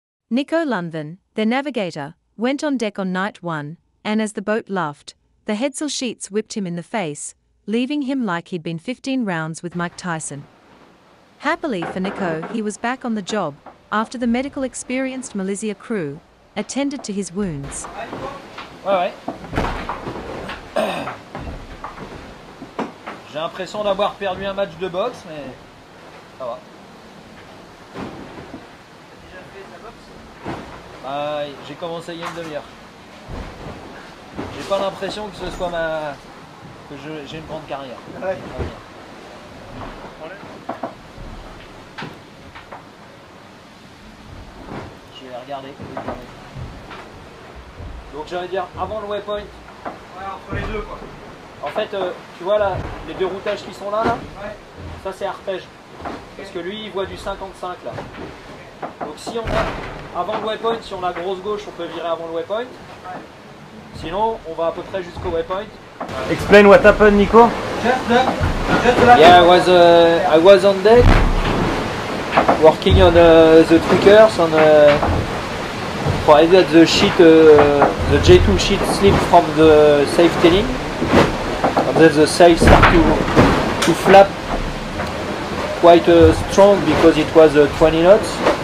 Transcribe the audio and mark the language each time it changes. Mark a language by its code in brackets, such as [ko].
[en] Nico Lunven, their navigator, went on deck on night one, and as the boat luffed, the headsail sheets whipped him in the face, leaving him like he'd been 15 rounds with Mike Tyson. Happily for Nico, he was back on the job, after the medical experienced Malizia crew attended to his wounds. [fr] Ouais, ouais. J'ai l'impression d'avoir perdu un match de boxe, mais ça va. T'as déjà fait ta boxe? J'ai commencé il y a une demi-heure. J'ai pas l'impression que ce soit ma... que j'ai une grande carrière. Ouais. Ouais. J'y vais regarder. Donc j'allais dire, avant le waypoint... Ouais, entre les deux, quoi. En fait, tu vois là, les deux routages qui sont là, là, ouais. Ça c'est arpège. Okay. Parce que lui, il voit du 55 là. Okay. Donc si on a avant le waypoint, si on a grosse gauche, on peut virer avant le waypoint. Ouais. Sinon, on va à peu près jusqu'au waypoint. [en] Explain what happened, Nico. Just left. Yeah, I was on deck, working on the triggers, on probably the sheet, the J2 sheet slip from the safe tailing. There's a sail start to flap quite strong because it was 20 knots.